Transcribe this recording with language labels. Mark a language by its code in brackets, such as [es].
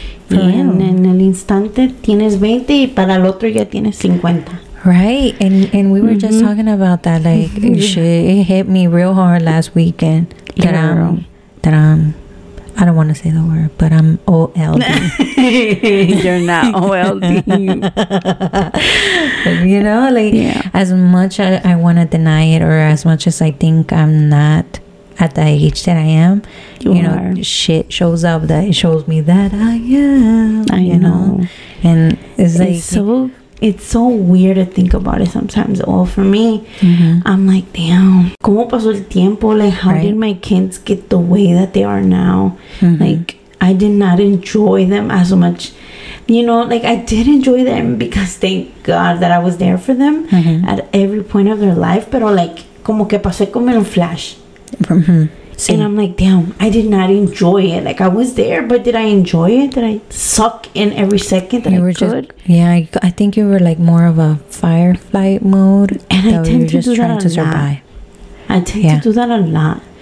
[es] En el instante tienes 20 y para el otro ya tienes 50. [en] Right, and we were just talking about that, like, shit, it hit me real hard last weekend. Literally. That I'm I don't want to say the word, but I'm OLD. You're not OLD. You know, like, yeah. As much as I want to deny it, or as much as I think I'm not at the age that I am, you know, shit shows up that it shows me that I am. I know. And it's like, it's so weird to think about it sometimes. Well, for me, mm-hmm. I'm like, damn, [es] ¿cómo pasó el tiempo? [en] Like, how did my kids get the way that they are now? Mm-hmm. Like, I did not enjoy them as much. You know, like, I did enjoy them because thank God that I was there for them mm-hmm. at every point of their life. [es] Pero, like, como que pasé como en un flash. [en] Mm-hmm. See. And I'm like, damn, I did not enjoy it. Like, I was there, but did I enjoy it? Did I suck in every second that you were I could? I think you were, like, more of a firefight mode. And I tend to do that a lot. To do that a lot.